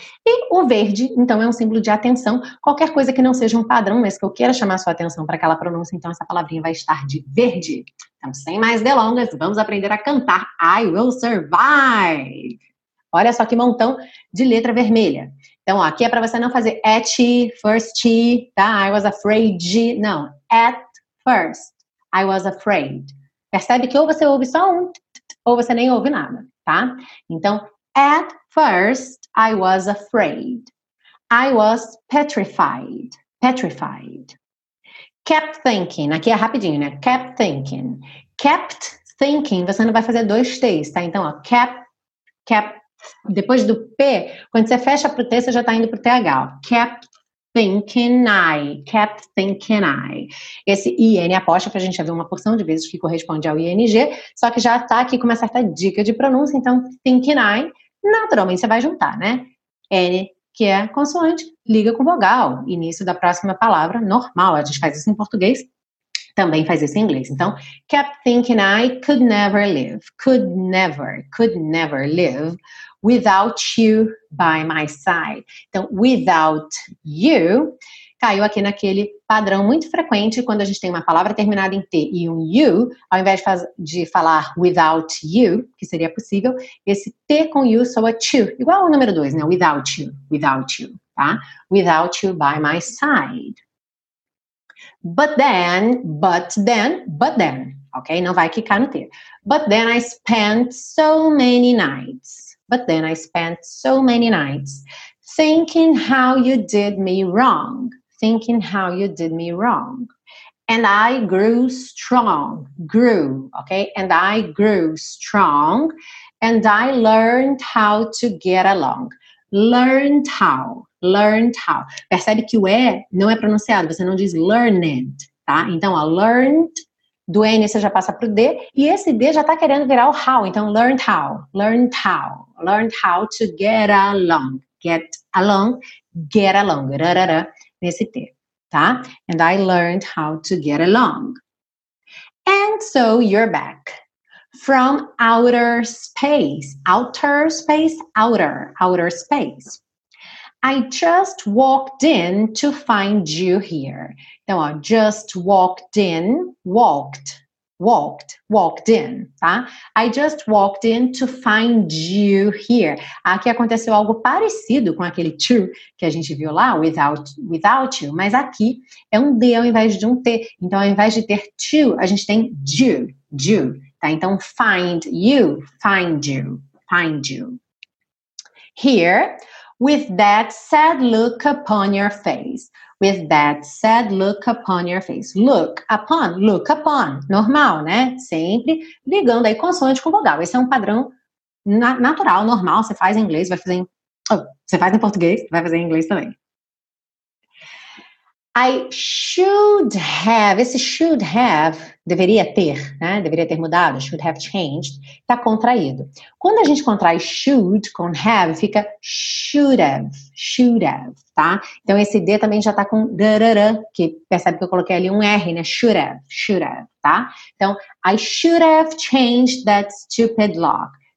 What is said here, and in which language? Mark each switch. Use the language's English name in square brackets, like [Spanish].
[Portuguese] E o verde, então, é um símbolo de atenção. Qualquer coisa que não seja um padrão, mas que eu queira chamar a sua atenção para aquela pronúncia, então essa palavrinha vai estar de verde. Então, sem mais delongas, vamos aprender a cantar I Will Survive. Olha só que montão de letra vermelha. Então, ó, aqui é para você não fazer [English] at first, [Portuguese] tá? [English] I was afraid. [Portuguese] Não, [English] at first, I was afraid. [Portuguese] Percebe que ou você ouve só um, ou você nem ouve nada, tá? Então, [English] at first, I was afraid. I was petrified, petrified. Kept thinking, [Portuguese] aqui é rapidinho, né? Kept thinking. Kept thinking, você não vai fazer dois T's, tá? Então, ó, kept. Depois do P, quando você fecha pro T, você já tá indo pro TH. Ó. [English] Kept thinking I. Kept thinking I. [Portuguese] Esse IN apóstrofe, a gente já viu uma porção de vezes que corresponde ao ING, só que já tá aqui com uma certa dica de pronúncia. Então, [English] thinking I, [Portuguese] naturalmente você vai juntar, né? N, que é consoante, liga com vogal. Início da próxima palavra, normal. A gente faz isso em português, também faz isso em inglês. Então, [English] kept thinking I could never live. Could never live. Without you by my side. [Portuguese] Então, [English] without you, [Portuguese] caiu aqui naquele padrão muito frequente quando a gente tem uma palavra terminada em T e um you, ao invés de falar without you, que seria possível, esse T com you soa to, igual ao número 2, né? [English] Without you, without you, [Portuguese] tá? [English] Without you by my side. But then, [Portuguese] ok? Não vai quicar no T. [English] But then I spent so many nights. But then I spent so many nights thinking how you did me wrong. Thinking how you did me wrong. And I grew strong. Grew, okay? And I grew strong. And I learned how to get along. Learned how. Learned how. [Portuguese] Percebe que o E não é pronunciado. Você não diz learned, tá? Então, ó, learned. Do N você já passa pro D. E esse D já tá querendo virar o how. Então, [English] learned how. Learned how. Learned how to get along. Get along. Get along. Rarara, [Portuguese] nesse T, tá? [English] And I learned how to get along. And so you're back. From outer space. Outer space. Outer. Outer space. I just walked in to find you here. [Portuguese] Então, ó, [English] just walked in, walked, walked, walked in, [Portuguese] tá? [English] I just walked in to find you here. [Portuguese] Aqui aconteceu algo parecido com aquele to que a gente viu lá, [English] without you, [Portuguese] mas aqui é um D ao invés de um T. Então, ao invés de ter to, a gente tem you, tá? Então, [English] find you. Here, with that sad look upon your face. With that sad look upon your face. Look upon, [Portuguese] normal, né? Sempre ligando aí consoante com vogal. Esse é um padrão natural, normal. Você faz em inglês, vai fazer em... Você faz em português, vai fazer em inglês também. [English] I should have, [Portuguese] esse [English] should have, [Portuguese] deveria ter, né? Deveria ter mudado, [English] should have changed, [Portuguese] tá contraído. Quando a gente contrai should com have, fica should have, tá? Então esse D também já tá com drrr, que percebe que eu coloquei ali um R, né? [English] Should have, [Portuguese] tá? Então, [English] I should have changed that stupid lock.